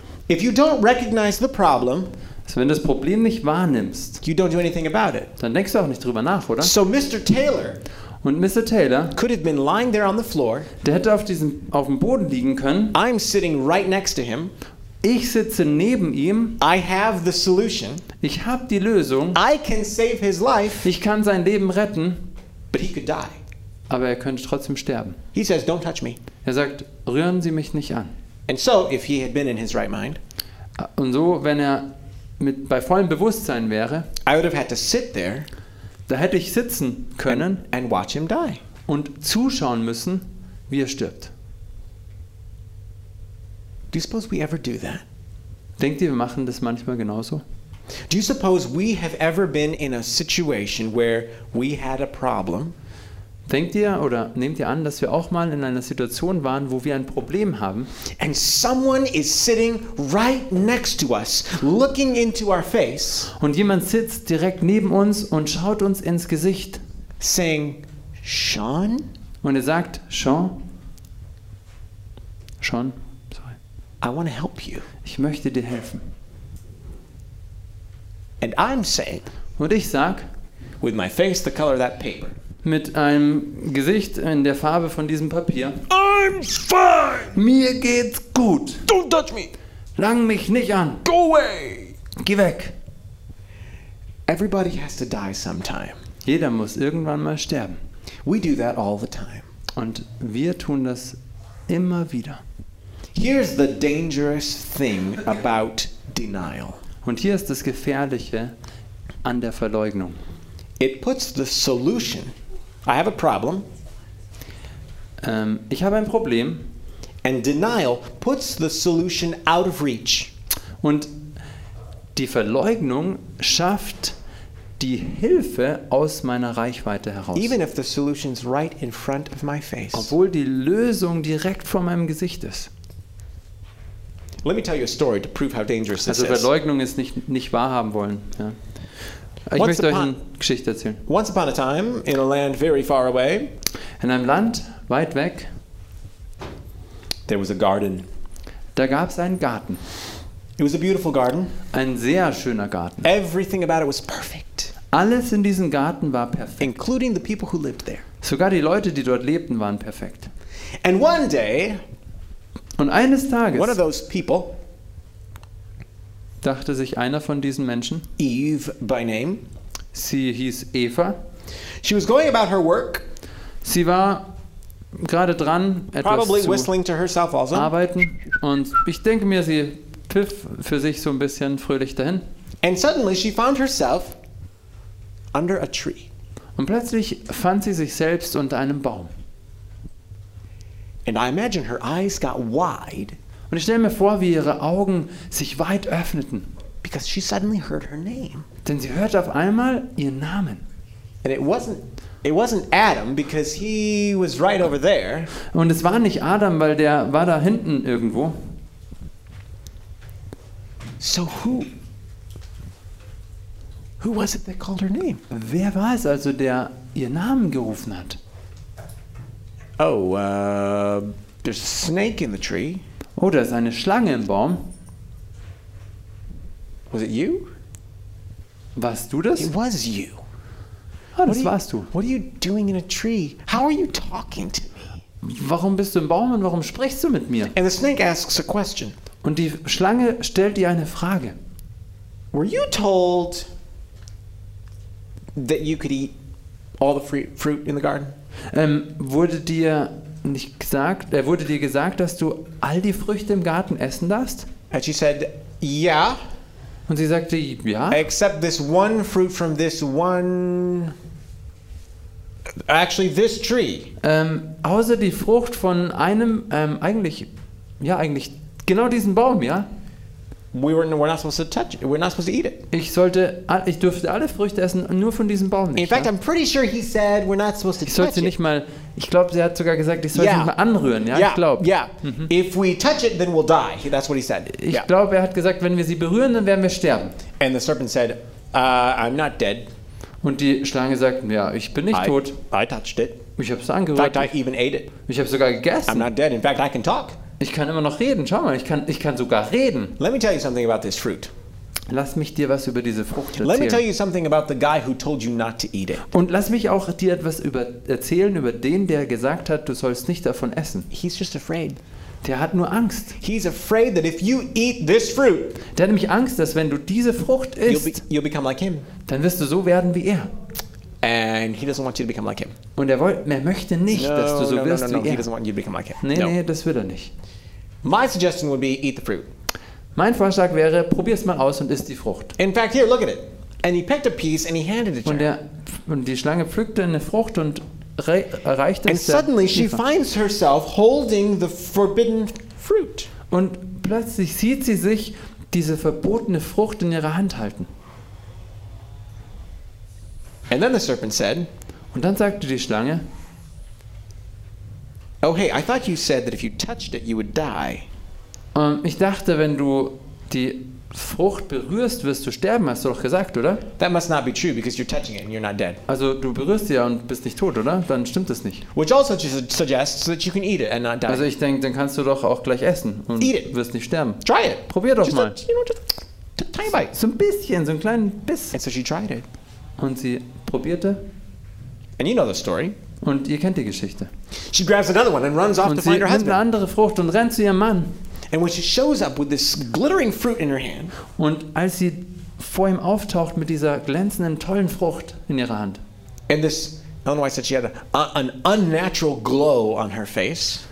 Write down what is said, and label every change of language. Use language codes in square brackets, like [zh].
[en] If you don't recognize the problem, [de] also wenn du das Problem nicht wahrnimmst, [en] you don't do anything about it. [de] Dann denkst du auch nicht drüber nach, oder? [en] So Mr. Taylor, [de] und Mr. Taylor [en] could have been lying there on the floor. [de] Der hätte auf dem Boden liegen können. [en] I'm sitting right next to him. [de] Ich sitze neben ihm. [en] I have the solution. [de] Ich habe die Lösung. [en] I can save his life. [de] Ich kann sein Leben retten. [en] But he could die. [de] Aber er könnte trotzdem sterben. [en] He says, "Don't touch me." [de] Er sagt, rühren Sie mich nicht an. [en] And so, if he had been in his right mind, [de] und so, wenn er bei vollem Bewusstsein wäre, [en] I would have had to sit there, [de] da hätte ich sitzen können [en] and watch him die. [de] Und zuschauen müssen, wie er stirbt. [en] Do you suppose we ever do that? [de] Denkt ihr, wir machen das manchmal genauso? [en] Do you suppose we have ever been in a situation where we had a problem? [de] Denkt ihr oder nehmt ihr an, dass wir auch mal in einer Situation waren, wo wir ein Problem haben? [en] And someone is sitting right next to us, looking into our face. [de] Und jemand sitzt direkt neben uns und schaut uns ins Gesicht. [en] Saying, Sean? [de] Und er sagt, Sean, sorry. [en] I want to help you. [de] Ich möchte dir helfen. [en] And I'm saying, [de] und ich sag, [en] with my face the color of that paper. [de] Mit einem Gesicht in der Farbe von diesem Papier. [en] I'm fine. [de] Mir geht's gut. [en] Don't touch me. [de] Lang mich nicht an. [en] Go away. [de] Geh weg. [en] Everybody has to die sometime. [de] Jeder muss irgendwann mal sterben. [en] We do that all the time. [de] Und wir tun das immer wieder. [en] Here's the dangerous thing about denial. [de] Und hier ist das Gefährliche an der Verleugnung. [en] It puts the solution. I have a problem. [de] Ich habe ein Problem. [en] And denial puts the solution out of reach. [de] Und die Verleugnung schafft die Hilfe aus meiner Reichweite heraus. [en] Even if the solution's right in front of my face. [de] Obwohl die Lösung direkt vor meinem Gesicht ist. [en] Let me tell you a story to prove how dangerous this is. [de] Also Verleugnung ist nicht wahrhaben wollen. Ja. Ich möchte euch eine Geschichte erzählen. [en] Once upon a time, in a land very far away. [de] In einem Land weit weg. [en] There was a garden. [de] Da gab es einen Garten. [en] It was a beautiful garden. [de] Ein sehr schöner Garten. [en] Everything about it was perfect. [de] Alles in diesem Garten war perfekt. [en] Including the people who lived there. [de] Sogar die Leute, die dort lebten, waren perfekt. [en] And one day. [de] Und eines Tages. [en] One of those people. [de] Dachte sich einer von diesen Menschen. [en] Eve by name. [de] Sie hieß Eva. [en] She was going about her work. [de] Sie war gerade dran, etwas [en] probably [de] zu [en] whistling to herself also. [de] Arbeiten. Und ich denke mir, sie pfiff für sich so ein bisschen fröhlich dahin. [en] And suddenly she found herself under a tree. [de] Und plötzlich fand sie sich selbst unter einem Baum. [en] And I imagine her eyes got wide. [de] Und ich stelle mir vor, wie ihre Augen sich weit öffneten. [en] Because she suddenly heard her name. [de] Denn sie hörte auf einmal ihren Namen. [en] And it wasn't Adam, because he was right over there. [de] Und es war nicht Adam, weil der war da hinten irgendwo. [en] So who was it that called her name? [de] Wer war es also, der ihren Namen gerufen hat? [en] Oh, there's a snake in the tree. [de] Oh, da ist eine Schlange im Baum. [en] Was it you? [de] Warst du das? [en] It was you. [de] Ah, das warst du. [en] What are you doing in a tree? How are you talking to me? [de] Warum bist du im Baum und warum sprichst du mit mir? [en] And the snake asks a question. [de] Und die Schlange stellt dir eine Frage. [en] Were you told that you could eat all the fruit in the garden? [de] Wurde dir gesagt, dass du all die Früchte im Garten essen darfst? [en] And she said, yeah. [de] Und sie sagte, ja. [en] Except this one fruit from this one. Actually, this tree. [de] Außer die Frucht von einem, eigentlich genau diesen Baum, ja. [en] We're not supposed to touch it. We're not supposed to eat it. [de] Ich durfte alle Früchte essen, nur von diesem Baum nicht. [en] In fact, [de] ja? [en] I'm pretty sure he said we're not supposed to touch it. [de] Ich sollte nicht mal. Ich glaube, sie hat sogar gesagt, ich soll sie nicht mal anrühren. Ja, [en] yeah. [de] Ich glaube. [en] Yeah. Mhm. If we touch it, then we'll die. That's what he said. [de] Ich glaube, er hat gesagt, wenn wir sie berühren, dann werden wir sterben. [en] And the serpent said, I'm not dead. [de] Und die Schlange sagt, ja, ich bin nicht tot. [en] I touched it. [de] Ich habe es angerührt. [en] In fact, I even ate it. [de] Ich habe sogar gegessen. [en] I'm not dead. In fact, I can talk. [de] Ich kann immer noch reden. Schau mal, ich kann sogar reden. [en] Let me tell you something about this fruit. [de] Lass mich dir was über diese Frucht erzählen. [en] Let me tell you something about the guy who told you not to eat it. [de] Und lass mich auch dir etwas erzählen über den, der gesagt hat, du sollst nicht davon essen. [en] He's just afraid. [de] Der hat nur Angst. [en] He's afraid that if you eat this fruit, [de] der hat nämlich Angst, dass wenn du diese Frucht isst, [en] you'll become like him. [de] Dann wirst du so werden wie er. [en] And he doesn't want you to become like him. [de] Und er möchte nicht, [en] no, [de] dass du so [en] no, [de] wirst [en] no, no, [de] wie [en] no. [de] er. [en] He doesn't want you to become like him. [de] Nee, das will er nicht. [en] My suggestion would be eat the fruit. [de] Mein Vorschlag wäre, probier's mal aus und iss die Frucht. [en] In fact, here, look at it. And he picked a piece and he handed it to her. [de] Und die Schlange pflückte eine Frucht und reichte es [en] And suddenly she finds herself holding the forbidden fruit. [de] Und plötzlich sieht sie sich diese verbotene Frucht in ihrer Hand halten. [en] And then the serpent said, [de] und dann sagte die Schlange, [en] oh hey, I thought you said that if you touched it, you would die. [de] Ich dachte, wenn du die Frucht berührst, wirst du sterben, hast du doch gesagt, oder? [en] That must not be true, because you're touching it and you're not dead. [de] Also du berührst sie ja und bist nicht tot, oder? Dann stimmt das nicht. [en] Which also suggests that you can eat it and not die. [de] Also ich denke, dann kannst du doch auch gleich essen und wirst nicht sterben. [en] Try it. [de] Probier doch [en] just [de] mal. [en] Tiny bite. [de] So ein bisschen, so einen kleinen Biss. [en] And so she tried it. [de] Und sie probierte. [en] And you know the story. [de] Und ihr kennt die Geschichte. [en] She grabs another one and runs off [de] und [en] to find her husband. [de] Und sie nimmt eine andere Frucht und rennt zu ihrem Mann. [en] And when she shows up with this glittering fruit in her hand. [de] Und als sie vor ihm auftaucht mit dieser glänzenden tollen Frucht in ihrer Hand. [en] And this, Ellen White said she had an unnatural glow on her face.